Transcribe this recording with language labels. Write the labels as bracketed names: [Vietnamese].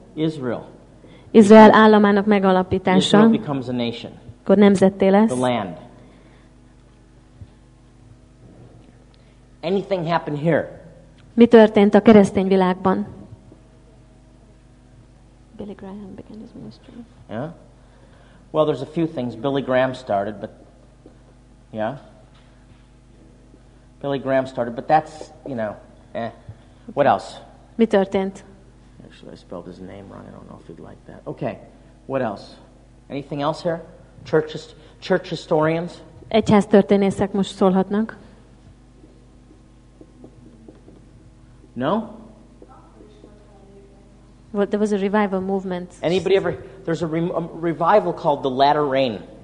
[English] Israel. [Hungarian] Izrael államának megalapítása. [English] Israel becomes a nation. [Hungarian] Akkor nemzetté lesz. [English] The land. Anything happened here? [Hungarian] Mi történt a keresztény világban? [English] Billy Graham began his ministry. Yeah. Well, there's a few things Billy Graham started, but yeah. Billy Graham started, but that's, you know, eh. What else? [Hungarian] Mi történt? [English] Actually, I spelled his name wrong. I don't know if he'd like that. Okay. What else? Anything else here? Church historians? [Hungarian] Egyháztörténészek most szólhatnak. [English] No? Well, there was a revival movement. Anybody ever? There's a revival called the Latter Rain.